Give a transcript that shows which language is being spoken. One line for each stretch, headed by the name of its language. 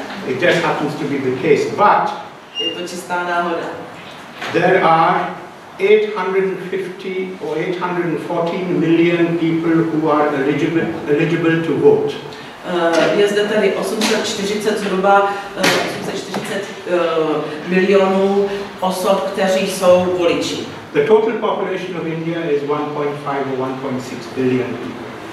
English: It just happens to be the case, but
Czech: je to čistá náhoda.
English: There are 850 or 814 million people who are eligible to vote.
Czech: Je zde tedy 840 zhruba 840 milionů osob, kteří jsou voliči.
English: The total population of India is 1.5 or 1.6 billion people.